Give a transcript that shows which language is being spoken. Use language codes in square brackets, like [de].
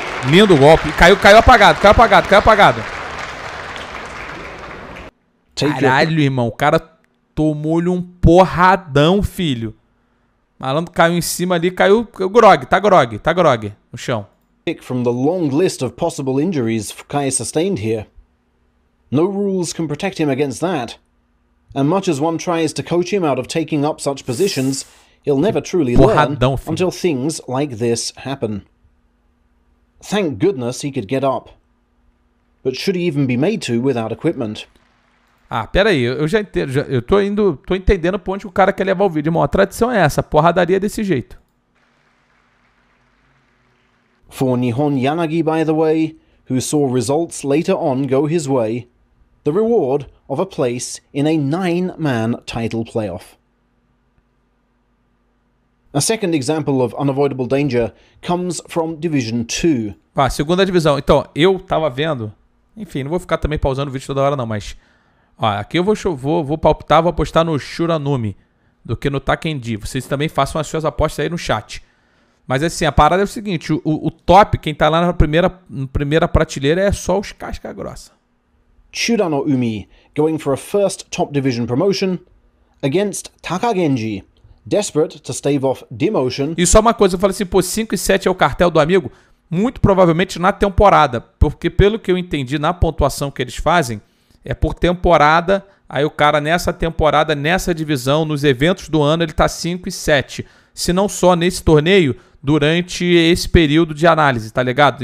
[pt] Lindo golpe. Caiu apagado, caiu apagado, caiu apagado. Caralho, irmão. O cara tomou-lhe um porradão, filho. Malandro caiu em cima ali, caiu o grog, tá grog, tá grog no chão. [en] Pick from the long list of possible injuries Fukai sustained here. No rules can protect him against that. And much as one tries to coach him out of taking up such positions, he'll never truly learn [pt] Porradão, filho. [en] until things like this happen. Thank goodness he could get up. But should he even be made to without equipment? [pt] Ah, pera aí, eu já entendo, já, eu tô indo, tô entendendo pro onde o cara quer levar o vídeo, irmão. A tradição é essa, porradaria desse jeito. [en] For Nihon Yanagi, by the way, who saw results later on go his way, the reward of a place in a nine-man title playoff. A second example of unavoidable danger comes from Division 2. [pt] Ah, segunda divisão. Então, eu tava vendo. Enfim, não vou ficar também pausando o vídeo toda hora, não, mas. Ó, aqui eu vou palpitar, vou apostar no Shuranumi do que no Takendi. Vocês também façam as suas apostas aí no chat. Mas assim, a parada é o seguinte: o top, quem tá lá na primeira prateleira é só os casca grossa. [en] Shurano Umi going for a first top division promotion against Takagenji. Desperate to stave off demotion. [pt] E só uma coisa, eu falei assim, pô, 5 e 7 é o cartel do amigo? Muito provavelmente na temporada. Porque pelo que eu entendi na pontuação que eles fazem, é por temporada. Aí o cara nessa temporada, nessa divisão, nos eventos do ano, ele tá 5 e 7. Se não só nesse torneio, durante esse período de análise, tá ligado?